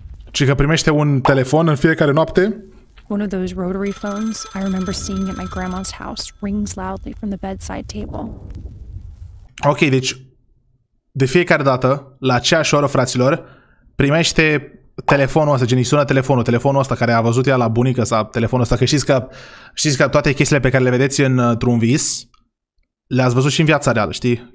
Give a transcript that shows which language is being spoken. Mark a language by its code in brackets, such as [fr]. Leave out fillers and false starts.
[ro] Cică primește un telefon în fiecare noapte. [en] One of those rotary phones I remember seeing at my grandma's house rings loudly from the bedside table. [ro] Ok, deci de fiecare dată, la aceeași oră, fraților, primește telefonul ăsta, gen îi sună telefonul, telefonul ăsta care a văzut ea la bunică sau telefonul ăsta, că știți că toate chestiile pe care le vedeți într-un vis, le-ați văzut și în viața reală, știi?